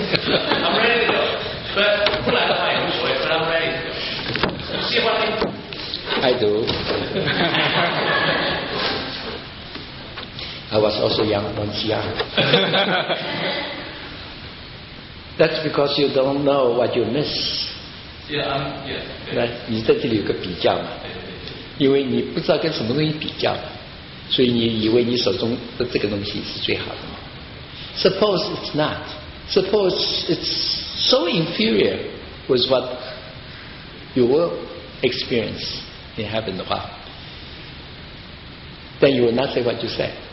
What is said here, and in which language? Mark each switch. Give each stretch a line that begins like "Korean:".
English: I'm ready to go. But,
Chinese: 不然的话也无所谓,
English: but I'm ready to go.
Chinese: 喜欢你?
English: I do. I was also young once young. That's because you don't know what you miss. Yeah, I'm, yeah.
Chinese: 你在这里有个比较嘛。因为你不知道跟什么东西比较。所以你以为你手中的这个东西是最好的吗？
English: Suppose it's not. Suppose it's so inferior with what you will experience in heaven
Chinese: 的话，
English: Then you will not say what you say.